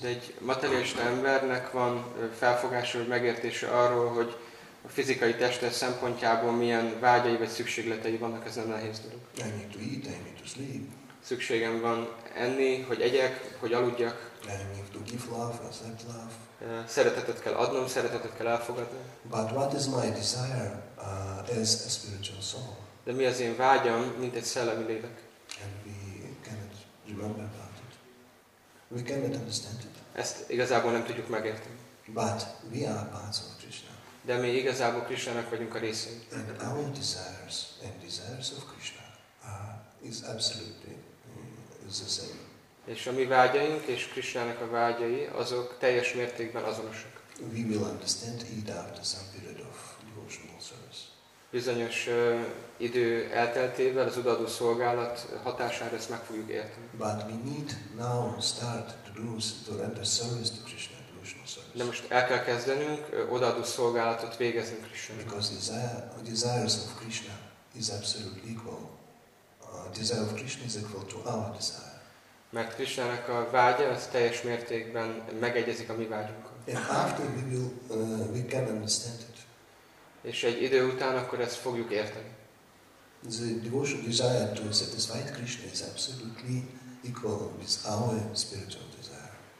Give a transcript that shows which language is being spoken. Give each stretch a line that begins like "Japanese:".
Hungarian: De egy materialista embernek van felfogása vagy megértése arról, hogy a fizikai teste szempontjából milyen vágyai vagy szükségletei vannak, ez nem nehéz dolog.
English: I need to eat, I need to sleep.
Hungarian: Szükségem van enni, hogy egyek, hogy aludjak.
English: I need to give love, accept love.
Hungarian: Szeretetet kell adnom, szeretetet kell elfogadni.
English: But what is my desire as a spiritual soul?
Hungarian: De mi az én vágyam, mint egy szellemi lélek?
English: And we cannot remember about it. We cannot understand it.
Hungarian: Ezt igazából nem tudjuk megérteni.
English: But we are parts of Krishna.
Hungarian: De mi igazából Krishnának vagyunk a részei.
English: And our desires and desires of Krishna is absolutely the same.
Hungarian: És a mi vágyaink és Krishnának a vágyai, azok teljes mértékben azonosak.
English: We will understand it after some period of devotional service.
Hungarian: Bizonyos idő elteltével az odaadó szolgálat hatására ezt meg fogjuk érteni.
English: But we need now start to do to render service to Krishna.
Hungarian: De most el kell kezdenünk odaadó szolgálatot végezni Krishnának.
English: Because the desires of Krishna is absolutely equal. Desire of Krishna is equal to our desire.
Hungarian: Mert Krishnának a vágya az teljes mértékben megegyezik a mi vágyunkkal.
English: And after we can understand it.
Hungarian: És egy idő után akkor ezt fogjuk érteni.
English: The devotional desire to satisfy Krishna is absolutely equal with our spiritual desire.